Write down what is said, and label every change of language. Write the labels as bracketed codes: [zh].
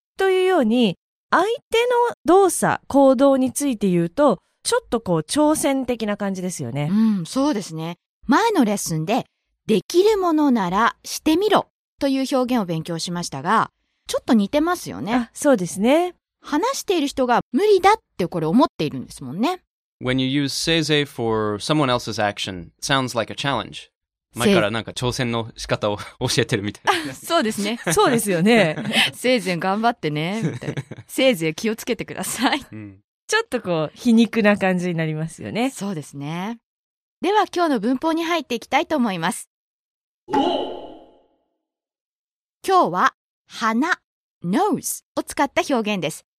[ja] というように、相手の動作、行動について言うと、ちょっとこう挑戦的な感じですよね。うん、そうですね。前のレッスンで、できるものならしてみろという表現を勉強しましたが、ちょっと似てますよね。あ、そうですね。話している人が無理だってこれ思っているんですもんね。 [en] When you use せいぜい for someone else's action, it sounds like a challenge. [ja] 前からなんか挑戦の仕方を教えてるみたいな。そうですね。そうですよね。せいぜい頑張ってね、みたいな。せいぜい気をつけてください。うん、ちょっとこう、皮肉な感じになりますよね。そうですね。では今日の文法に入っていきたいと思います。今日は、鼻、nose を使った表現です。